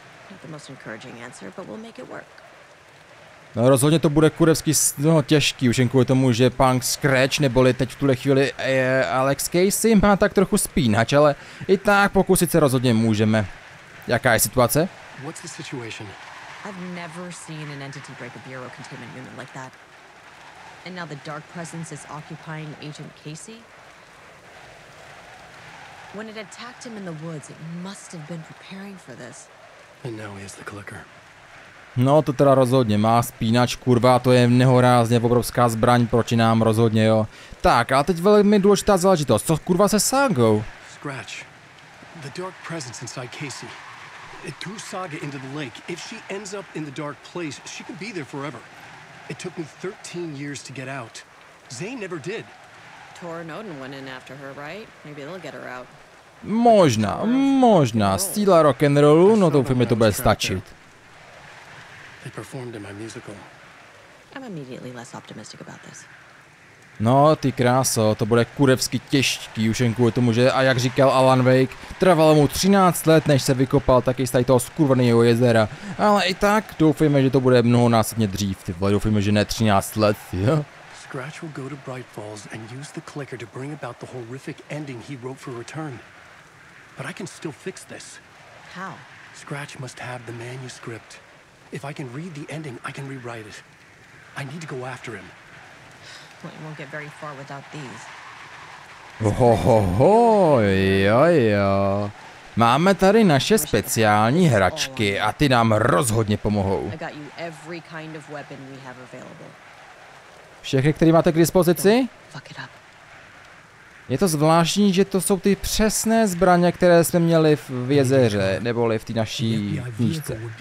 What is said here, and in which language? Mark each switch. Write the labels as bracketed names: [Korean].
[English] Not the most encouraging answer, but we'll make it work. [Czech] No rozhodně to bude kurevsky těžký, už jen kvůli tomu, že Punk Scratch, neboli teď v tuhle chvíli Alex Casey, má tak trochu spínač, ale i tak pokusit se rozhodně můžeme. Jaká je situace? [English] What's the situation? I've never seen an entity break a bureau containment unit like that. And now the dark presence is occupying Agent Casey? When it attacked him in the woods, it must have been preparing for this. And now he is the clicker. [Czech] No to teda rozhodně, má spínač, kurva, to je nehorázně obrovská zbraň proti nám, rozhodně jo. Tak, a teď velmi důležitá záležitost, co kurva se Sagou? [English] Scratch, the dark presence inside Casey. It threw Saga into the lake. If she ends up in the dark place, she could be there forever. It took me 13 years to get out. Zane never did. Tor and Odin went in after her, right? Maybe they'll get her out. [Czech] Možná, možná, stíla rock'n'rollu, no doufám, mi to bude stačit. [English] They performed in my musical. I'm immediately less optimistic about this. [Czech] No, ty kráso, to bude kurevsky těžký, už jen kvůli tomu, že, a jak říkal Alan Wake, trvalo mu 13 let, než se vykopal taky z tady toho skurveného jezera. Ale i tak, doufejme, že to bude mnohonásobně dřív, ty vole, doufejme, že ne 13 let, jo? [English] Scratch will go to Bright Falls and use the clicker to bring about the horrific ending he wrote for Return. But I can still fix this. How? Scratch must have the manuscript. If I can read the ending, I can rewrite it. I need to go after him. Well, you won't get very far without these. [Czech] Ho ho ho, jo jo. Máme tady naše speciální hračky a ty nám rozhodně pomohou. [English] I got you every kind of weapon we have available. [Czech] Všechny, které máte k dispozici? [English] Fuck it up. [Czech] Je to zvláštní, že to jsou ty přesné zbraně, které jsme měli v jezeře, neboli v té naší knížce.